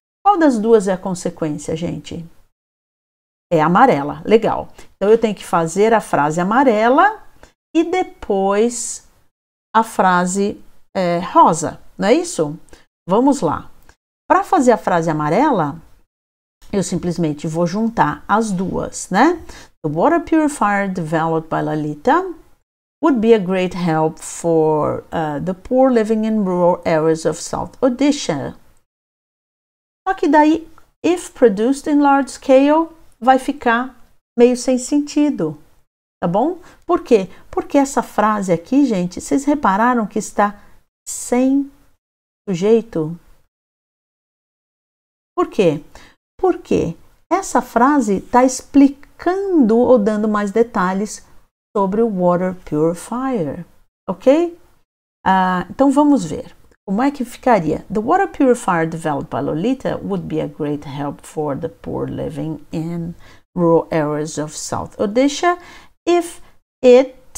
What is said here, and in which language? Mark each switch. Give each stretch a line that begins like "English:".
Portuguese: Qual das duas é a consequência, gente? É amarela. Legal. Então, eu tenho que fazer a frase amarela e depois a frase rosa. Não é isso? Vamos lá. Para fazer a frase amarela, eu simplesmente vou juntar as duas, né?
English: The water purifier developed by Lalita would be a great help for the poor living in rural areas of South Odisha.
Portuguese: Só que daí,
English: if produced in large scale,
Portuguese: vai ficar meio sem sentido, tá bom? Por quê? Porque essa frase aqui, gente, vocês repararam que está sem sujeito? Por quê? Porque essa frase está explicando ou dando mais detalhes sobre o water purifier, ok? Então, vamos ver. Como é que ficaria?
English: The water purifier developed by Lalita would be a great help for the poor living in rural areas of South Odisha if it...